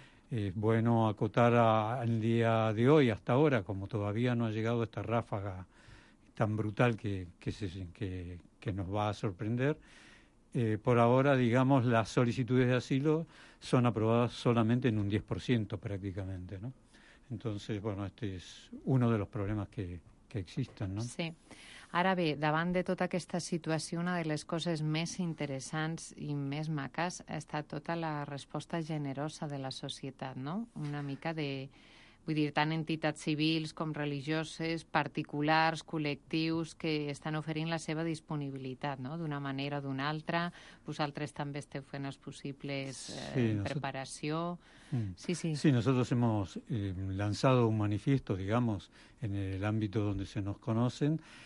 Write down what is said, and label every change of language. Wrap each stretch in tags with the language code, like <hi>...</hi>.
<es>Es bueno acotar al día de hoy, hasta ahora, como todavía no ha llegado esta ráfaga tan brutal que nos va a sorprender. Por ahora, digamos, las solicitudes de asilo son aprobadas solamente en un 10% prácticamente, ¿no? Entonces, bueno, este es uno de los problemas que existen, ¿no? Sí.</es> <ca>Ara bé, davant de tota aquesta situació, una de les coses més interessants i més maques ha estat tota la resposta generosa de la societat, no? Una mica de, vull dir, tant entitats civils com religioses, particulars, col·lectius, que estan oferint la seva disponibilitat, no? D'una manera o d'una altra. Vosaltres també esteu fent els possibles preparació. Sí, sí.</ca> <es>Sí, nosotros hemos lanzado un manifiesto, digamos, en el ámbito donde se nos conocen.</es>